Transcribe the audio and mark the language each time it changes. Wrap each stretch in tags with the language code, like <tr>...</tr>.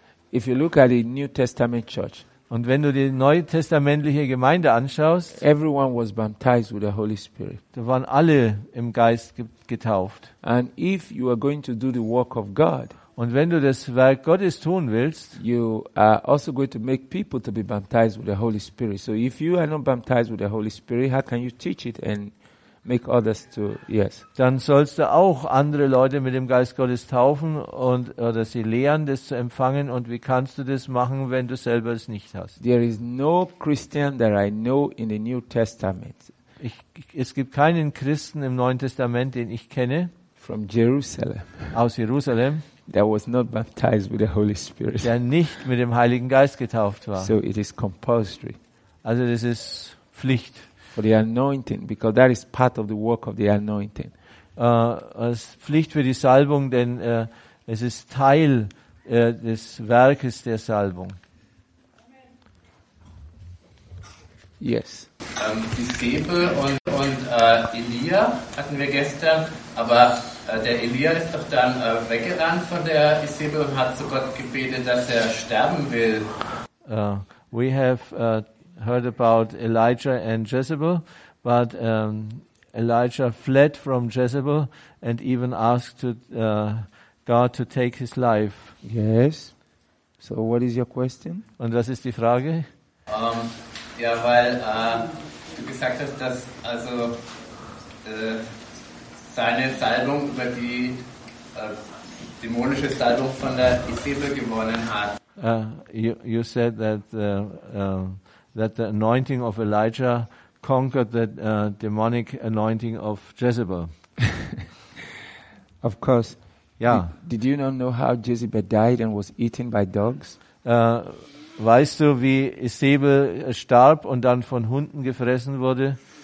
<en>If you look at the New Testament church.</en> <de>Und wenn du die neutestamentliche Gemeinde anschaust,</de> <en>everyone was baptized with the Holy Spirit.</en> <de>Da waren alle im Geist getauft.</de> <en>And if you are going to do the work of God,</en> <de>und wenn du das Werk Gottes tun willst,</de> <en>you are also going to make people to be baptized with the Holy Spirit. So if you are not baptized with the Holy Spirit, how can you teach it and make others to, yes.</en> <de>Dann sollst du auch andere Leute mit dem Geist Gottes taufen und oder sie lehren, das zu empfangen. Und wie kannst du das machen, wenn du selber es nicht hast?</de> <en>There is no Christian that I know in the New Testament.</en> <de>Es gibt keinen Christen im Neuen Testament, den ich kenne.</de> <en>From Jerusalem.</en> <de>Aus Jerusalem.</de> <en>That was not baptized with the Holy Spirit.</en> <de>Der nicht mit dem Heiligen Geist getauft war.</de> <en>So it is compulsory.</en> <de>Also das ist Pflicht.</de> <en>For the anointing, because that is part of the work of the anointing.</en> <de>Als Pflicht für die Salbung, denn es ist Teil des Werkes der Salbung.</de> <en>Yes.</en> <de>Isebe und Elia hatten wir gestern, aber der Elia ist doch dann weggerannt von der Isebe und hat zu Gott gebetet, dass er sterben will.</de> <en>We have heard about Elijah and Jezebel, but Elijah fled from Jezebel and even asked to God to take his life. Yes. So what is your question?</en> <de>Und was ist die Frage? Ja, weil du gesagt hast, dass also seine Salbung über die dämonische Salbung von der Isebel gewonnen hat.</de> <en>You said that that the anointing of Elijah conquered the demonic anointing of Jezebel. Of course. Yeah. Did you not know how Jezebel died and was eaten by dogs?</en> <de>Weißt du, wie Isebel starb und dann von Hunden gefressen wurde?</de>